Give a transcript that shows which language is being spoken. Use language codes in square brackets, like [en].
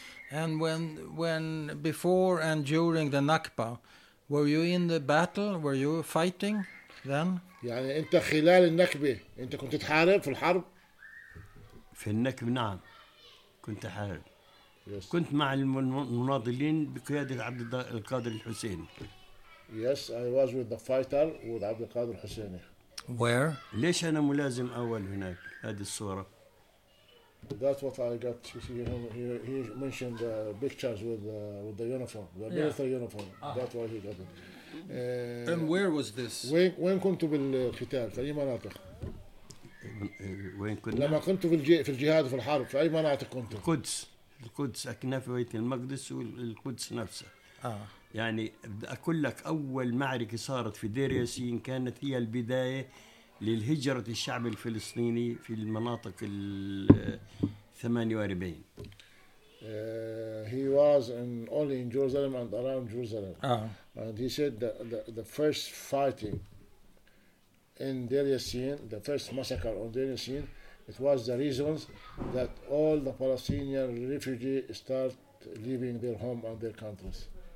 [en] And when before and during the Nakba, were you in the battle? Were you fighting then? [ar] يعني أنت خلال النكبة أنت كنت تحارب في الحرب؟ في النكبة نعم. كنت حارب كنت مع المناضلين بقيادة عبد القادر الحسيني. [en] Yes, I was with the fighter with عبد القادر الحسيني. Where? [ar] ليش أنا ملازم أول هناك هذه الصورة؟ [en] That's what I got. He mentioned pictures with the uniform, the military uniform. That's why he got it. And where was this? When [ar] كنت بالقتال في أي مناطق؟ وين كنت؟ لما كنت في الجهاد وفي الحرب في أي مناطق كنت؟ القدس أكنا في بيت المقدس والقدس نفسه. يعني بدي أقول لك أول معركة صارت في دير ياسين كانت هي البداية للهجرة الشعب الفلسطيني في المناطق الثمانية وأربعين. [en] He was only in Jerusalem and around Jerusalem. And he said the first fighting in Deir Yassin, the first massacre on Deir Yassin, it was the reasons that all the Palestinian refugees start leaving their home and their countries.